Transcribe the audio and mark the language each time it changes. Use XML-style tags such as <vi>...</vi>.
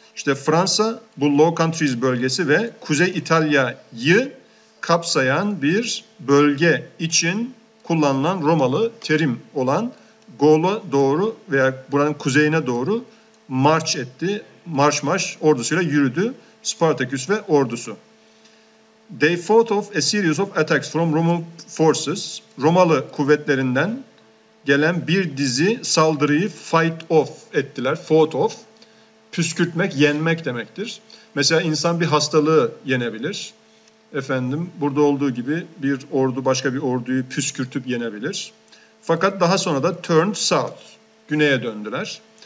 <tr>İşte Fransa bu Low Countries bölgesi ve Kuzey İtalya'yı kapsayan bir bölge için kullanılan Romalı terim olan Gaul'a doğru veya buranın kuzeyine doğru march etti. Marş ordusuyla yürüdü Spartacus ve ordusu.</tr> <en>They fought off a series of attacks from Roman forces.</en> <tr>Romalı kuvvetlerinden gelen bir dizi saldırıyı fight off ettiler. Fought off, püskürtmek, yenmek demektir. Mesela insan bir hastalığı yenebilir. Efendim, burada olduğu gibi bir ordu başka bir orduyu püskürtüp yenebilir. Fakat daha sonra da</tr> <en>turned south,</en> <tr>güneye döndüler.</tr>